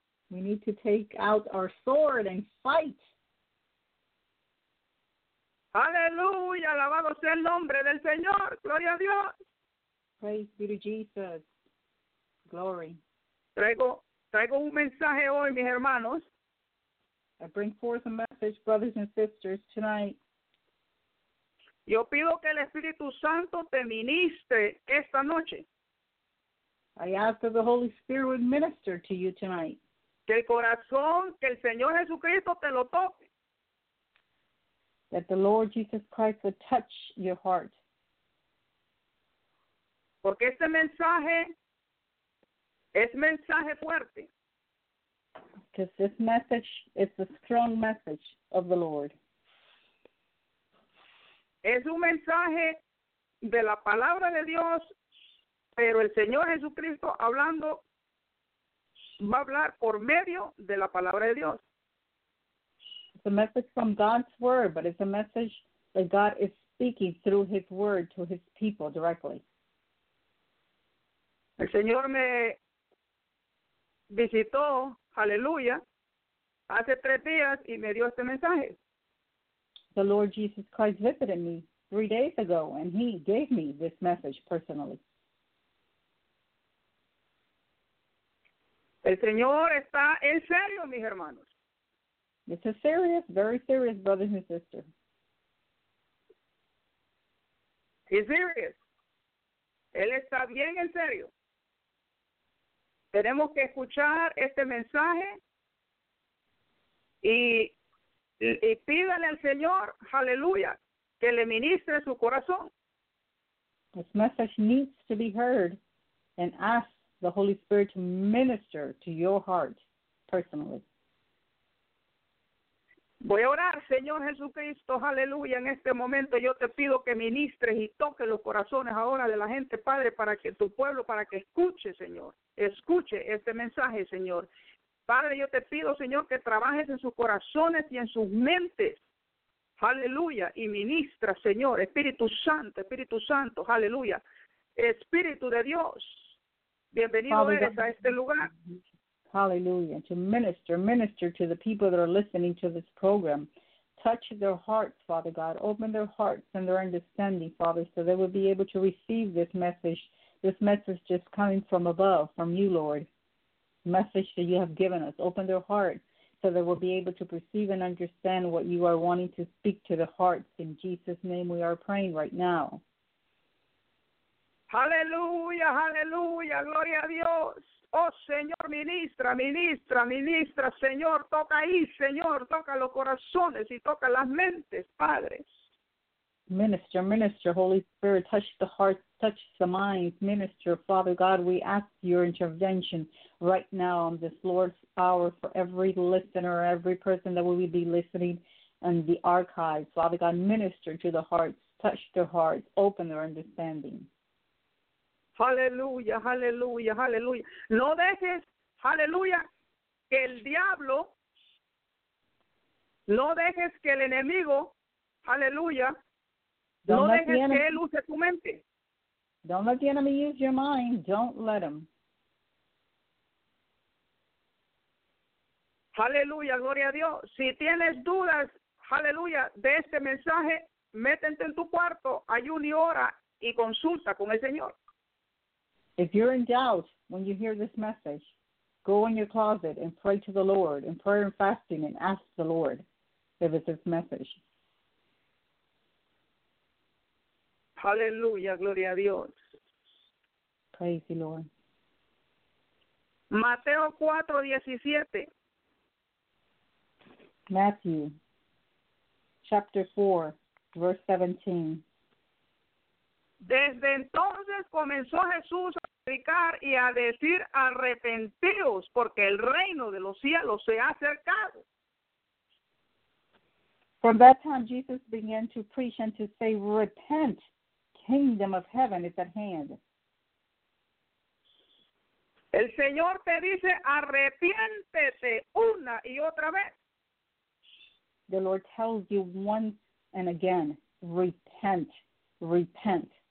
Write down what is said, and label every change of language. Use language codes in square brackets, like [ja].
[en] We need to take out our sword and fight. [es] Aleluya, alabado sea el nombre del Señor, gloria a Dios. [en] Praise be to Jesus. Glory. [es] Traigo un mensaje hoy, mis hermanos. [en] I bring forth a message, brothers and sisters, tonight. [es] Yo pido que el Espíritu Santo te ministre esta noche. [en] I ask that the Holy Spirit would minister to you tonight. [es] Que el corazón, que el Señor Jesucristo te lo toque. [en] That the Lord Jesus Christ would touch your heart. [es] Porque este mensaje es mensaje fuerte. [en] Because this message is a strong message of the Lord. [es] Es un mensaje de la palabra de Dios, pero el Señor Jesucristo hablando, va a hablar por medio de la palabra de Dios. [en] It's a message from God's word, but it's a message that God is speaking through his word to his people directly. [es] El Señor me visitó, aleluya, hace 3 días y me dio este mensaje. [en] The Lord Jesus Christ visited me 3 days ago, and he gave me this message personally. [es] El Señor está en serio, mis hermanos. [en] This is serious, very serious, brothers and sisters. He's serious. [es] Él está bien en serio. Tenemos que escuchar este mensaje y pídale al Señor, aleluya, que le ministre su corazón. [en] This message needs to be heard, and ask the Holy Spirit to minister to your heart personally. [es] Voy a orar, Señor Jesucristo, aleluya, en este momento yo te pido que ministres y toques los corazones ahora de la gente, Padre, para que tu pueblo, para que escuche, Señor, escuche este mensaje, Señor. Padre, yo te pido, Señor, que trabajes en sus corazones y en sus mentes. Aleluya. Y ministra, Señor, Espíritu Santo, aleluya. Espíritu de Dios, bienvenido eres a este lugar. Aleluya. [en] To minister to the people that are listening to this program. Touch their hearts, Father God. Open their hearts and their understanding, Father, so they will be able to receive this message just coming from above, from you, Lord. Message that you have given us. Open their hearts so they will be able to perceive and understand what you are wanting to speak to the hearts. In Jesus' name we are praying right now. [es] Hallelujah, hallelujah, gloria a Dios. Oh, Señor, ministra, ministra, ministra, Señor, toca ahí, Señor, toca los corazones y toca las mentes, Padre. [en] Minister, Holy Spirit, touch the hearts, touch the minds. Minister, Father God, we ask your intervention right now on this Lord's hour for every listener, every person that will be listening in the archives. Father God, minister to the hearts, touch their hearts, open their understanding. Hallelujah, hallelujah, hallelujah. [es] No dejes, hallelujah, que el diablo, no dejes que el enemigo, hallelujah, [en] Don't let the enemy use your mind. Don't let him. [es] Aleluya, gloria a Dios. Si tienes dudas, aleluya, de este mensaje, métete en tu cuarto, ayuna y ora y consulta con el Señor. [en] If you're in doubt when you hear this message, go in your closet and pray to the Lord in prayer and fasting and ask the Lord if it's this message. [es] Aleluya, gloria a Dios. [en] Praise the Lord. [es] Mateo 4:17. [en] Matthew, chapter 4, verse 17. [es] Desde entonces comenzó Jesús a predicar y a decir, arrepentíos, porque el reino de los cielos se ha acercado. [en] From that time, Jesus began to preach and to say, repent, kingdom of heaven is at hand. [es] El Señor te dice, arrepiéntete una y otra vez. [en] The Lord tells you once and again, repent, repent.